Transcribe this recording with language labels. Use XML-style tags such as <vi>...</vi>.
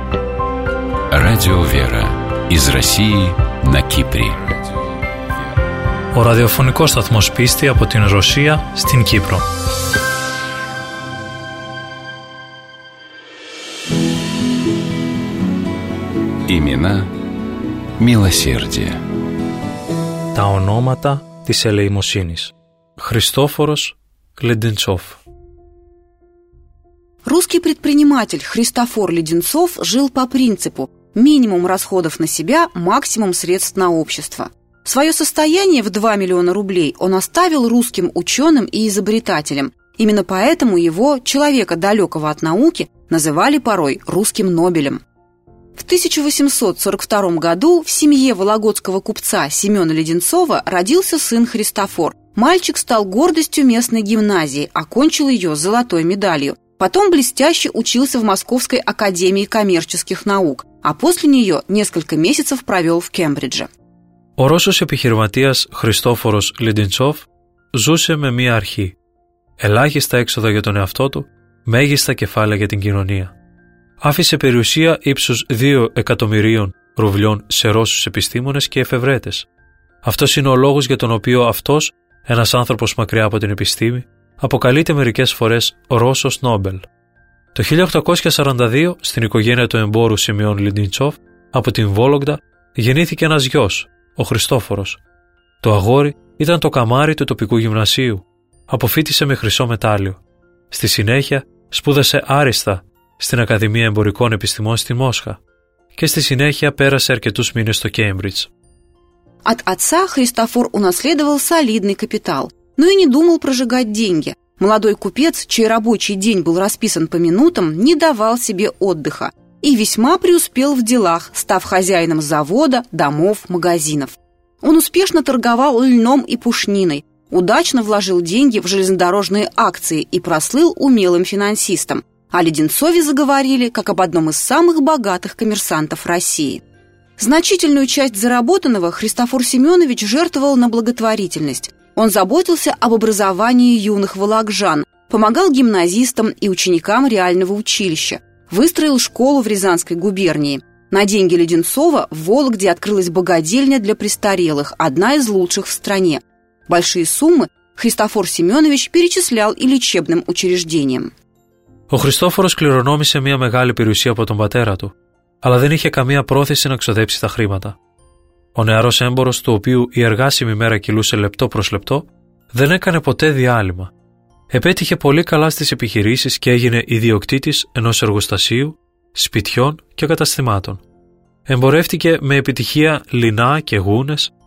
<ru>Радио Вера из России на Кипре.</ru> <el>Ο ραδιοφωνικός σταθμός πίστη από την Ρωσία στην Κύπρο.</el> <ru>Имена милосердия.</ru> <el>Τα ονόματα της ελεημοσύνης.</el> <ru>Христофорос Леденцов. Русский предприниматель Христофор Леденцов жил по принципу «минимум расходов на себя, максимум средств на общество». Свое состояние в 2 миллиона рублей он оставил русским ученым и изобретателям. Именно поэтому его, человека далекого от науки, называли порой «русским Нобелем». В 1842 году в семье вологодского купца Семена Леденцова родился сын Христофор. Мальчик стал гордостью местной гимназии, окончил ее золотой медалью. Потом блестяще учился в Московской академии коммерческих наук, а после нее несколько месяцев провел в Кембридже.</ru> <el>Ο Ρώσος επιχειρηματίας Христофорος Леденцов ζούσε με μία αρχή. Ελάχιστα έξοδα για τον εαυτό του, μέγιστα κεφάλαια για την κοινωνία. Άφησε περιουσία ύψους 2 εκατομμυρίων ρουβλιών σε Ρώσους επιστήμονες και εφευρέτες. Αυτός είναι ο λόγος για τον οποίο αυτός, ένας άνθρωπος μακριά από την επιστήμη, αποκαλείται μερικές φορές Ρώσος Νόμπελ. Το 1842, στην οικογένεια του εμπόρου Σιμεών Λεντιντσόφ, από την Βόλογδα, γεννήθηκε ένας γιος, ο Χριστόφορος. Το αγόρι ήταν το καμάρι του τοπικού γυμνασίου. Αποφύτησε με χρυσό μετάλλιο. Στη συνέχεια, σπούδασε άριστα στην Ακαδημία Εμπορικών Επιστημών στη Μόσχα και στη συνέχεια πέρασε αρκετούς μήνες στο Κέμπριτζ.</el> <ru>От отца Христофор унаследовал солидный капитал, но и не думал прожигать деньги. Молодой купец, чей рабочий день был расписан по минутам, не давал себе отдыха и весьма преуспел в делах, став хозяином завода, домов, магазинов. Он успешно торговал льном и пушниной, удачно вложил деньги в железнодорожные акции и прослыл умелым финансистом. О Леденцове заговорили, как об одном из самых богатых коммерсантов России. Значительную часть заработанного Христофор Семенович жертвовал на благотворительность. Он заботился об образовании юных вологжан, помогал гимназистам и ученикам реального училища, выстроил школу в Рязанской губернии. На деньги Леденцова в Вологде открылась богадельня для престарелых, одна из лучших в стране. Большие суммы Христофор Семенович перечислял и лечебным учреждениям.</ru> <el>Ο Χριστόφορος κληρονόμησε μια μεγάλη περιουσία από τον πατέρα του, αλλά δεν είχε καμία πρόθεση να ξοδέψει τα χρήματα. Ο νεαρός έμπορος, του οποίου η εργάσιμη μέρα κυλούσε λεπτό προς λεπτό, δεν έκανε ποτέ διάλειμμα. Επέτυχε πολύ καλά στις επιχειρήσεις και έγινε ιδιοκτήτης ενός εργοστασίου, σπιτιών και καταστημάτων. Εμπορεύτηκε με επιτυχία λινά και γούνες,</el>